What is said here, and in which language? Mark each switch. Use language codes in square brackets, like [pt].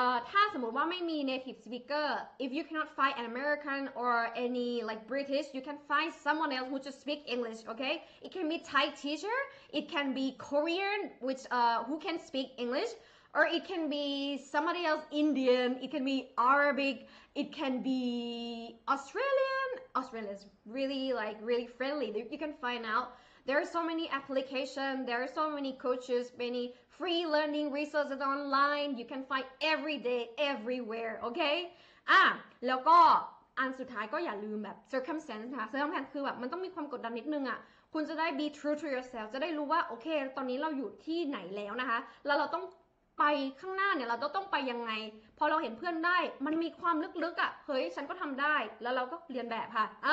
[th] ถ้าสมมุติว่าไม่มี [en] native speaker if you cannot find an American or any like British you can find someone else who just speak English okay it can be Thai teacher it can be Korean which who can speak English or it can be somebody else Indian it can be Arabic it can be Australian is really like really friendly you can find outThere are so many applications, there are so many coaches, many free learning resources online. You can find every day, everywhere, okay? [th] แล้วก็อันสุดท้ายก็อย่าลืมแบบ circumstance นะ circumstance คือแบบมันต้องมีความกดดันนิดนึงอ่ะคุณจะได้ [en] be true to yourself [th] จะได้รู้ว่าโอเคตอนนี้เราอยู่ที่ไหนแล้วนะคะแล้วเราต้องไปข้างหน้าเนี่ยเราต้องไปยังไงพอเราเห็นเพื่อนได้มันมีความลึกๆอ่ะเฮ้ยฉันก็ทำได้แล้วเราก็เรียนแบบค่ะ